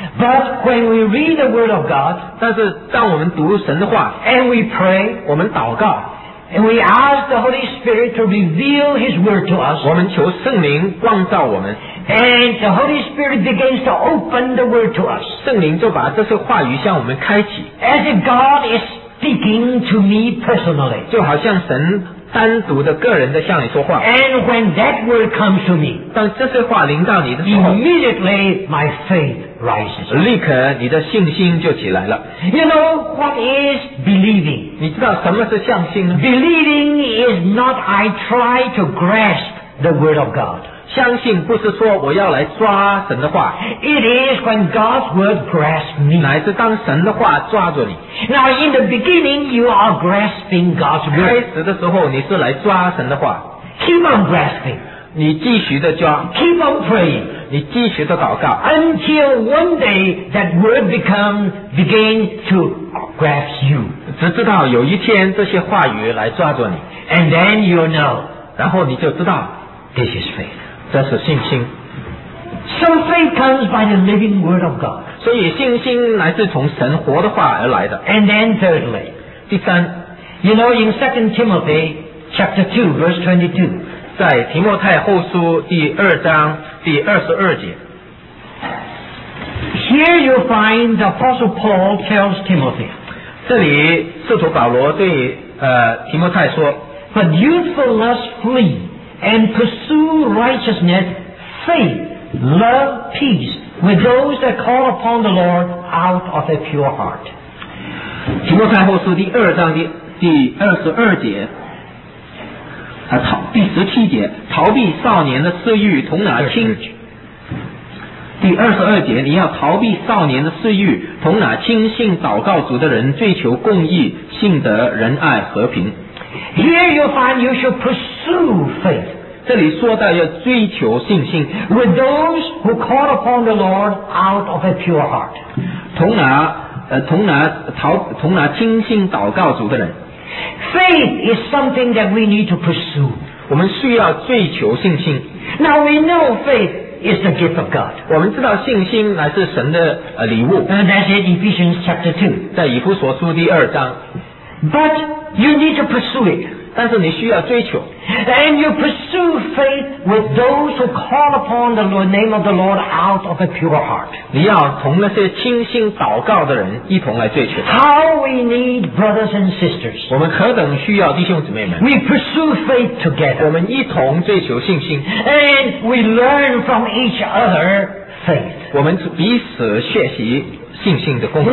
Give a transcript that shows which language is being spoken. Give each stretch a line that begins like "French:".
English: But when we read the word of God,
Chinese: 但是当我们读神的话，
English: And we pray,
Chinese: 我们祷告，
English: And we ask the Holy Spirit to reveal His word to us,
Chinese: 我们求圣灵光照我们。
English: And the Holy Spirit begins to open the word to us.
Chinese: 圣灵就把这些话语向我们开启。
English: As if God is speaking to me personally.
Chinese: 就好像神单独的个人的向你说话。
English: And when that word comes to me,
Chinese: 当这些话临到你的时候，
English: immediately my faith rises.
Chinese: 立刻你的信心就起来了。
English: You know what is believing?
Chinese: 你知道什么是相信呢？
English: Believing is not I try to grasp the word of God.
Chinese: 相信不是说我要来抓神的话。
English: It is when God's word grasps me.
Chinese: 乃是当神的话抓住你。
English: Now in the beginning, you are grasping God's word.
Chinese: 开始的时候你是来抓神的话。
English: Keep on grasping.
Chinese: 你继续的抓。
English: Keep on praying.
Chinese: 你继续的祷告。
English: Until one day that word begins to grasp you.
Chinese: 直至到有一天这些话语来抓住你。
English: And then you'll know.
Chinese: 然后你就知道。
English: This is faith.
Chinese: 这是信心。
English: So faith comes by the living word of God.
Chinese: 所以信心来自从神活的话而来的。
English: And then thirdly,
Chinese: 第三，
English: you know in 2 Timothy chapter 2 verse 22,
Chinese: 在提摩太后书第二章第二十二节。
English: Here you find the Apostle Paul tells Timothy.
Chinese: 这里使徒保罗对提摩太说，
English: But youthful lust flee. And pursue righteousness, faith, love, peace with those that call upon the Lord out of a pure heart.
Chinese: 提摩太后书第二章的第二十二节，第十七节，逃避少年的私欲，同拿清。第二十二节，你要逃避少年的私欲，同拿清信祷告主的人，追求公义、信德、仁爱、和平。
English: Here you find you should pursue faith.
Chinese: 这里说到要追求信心。
English: With those who call upon the Lord out of a pure heart.
Chinese: 同拿清信祷告主的人。
English: Faith is something that we need to pursue.
Chinese: 我们需要追求信心。
English: Now we know faith is the gift of God.
Chinese: 我们知道信心乃是神的礼物。
English: And that's in Ephesians chapter 2.
Chinese: 在以弗所书第二章。
English: But you need to pursue it.
Chinese: 但是你需要追求。
English: And you pursue faith with those who call upon the name of the Lord out of a pure heart.
Chinese: 你要同那些倾心祷告的人一同来追求。
English: How we need brothers and sisters.
Chinese: 我们何等需要弟兄姊妹们。
English: We pursue faith together.
Chinese: 我们一同追求信心。
English: And we learn from each other faith.
Chinese: 我们彼此学习信心的功课。